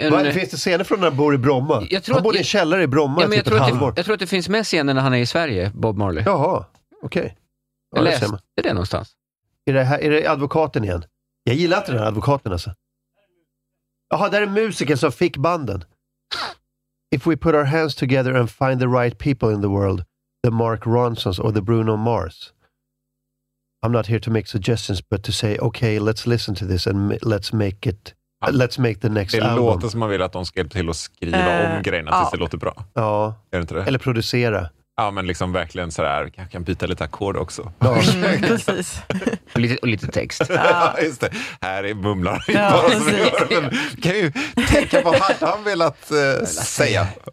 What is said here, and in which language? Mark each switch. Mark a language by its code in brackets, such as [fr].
[sv] Vad, finns det scener från när han bor i Bromma? Han bor i en källare i Bromma, ja, men typ ett halvår. Jag tror att det finns med scener när han är i Sverige, Bob Marley. Jaha, okej. [en] Okay. [sv] Jag läste det, är det någonstans. Är det advokaten igen? Jag gillar inte den här advokaten alltså. Jaha, där är musiken som fick banden. [en] If we put our hands together and find the right people in the world, the Mark Ronsons or the Bruno Mars. I'm not here to make suggestions, but to say, okay, let's listen to this and let's make the next album. [sv] Det låter som man vill att de ska hjälpa till att skriva om grejerna tills det låter bra. Ja, är det inte det? Eller producera. Ja, men liksom verkligen sådär, jag kan byta lite akkord också. Ja, precis. Och lite text. Ja, just det. Här är mumlar. Ja, kan ju tänka på vad han vill att säga.